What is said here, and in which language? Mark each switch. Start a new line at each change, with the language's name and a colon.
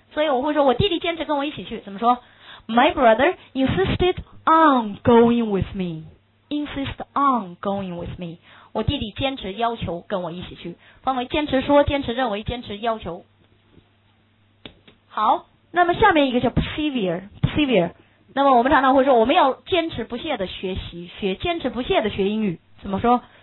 Chinese: 所以我会说我弟弟坚持跟我一起去，怎么说？
English: my brother insisted on going with me， insist on going with me。
Chinese: 我弟弟坚持要求跟我一起去，方为坚持说，坚持认为，坚持要求。好，那么下面一个叫 persevere， 那么我们常常会说我们要坚持不懈的学习，学坚持不懈的学英语，怎么说？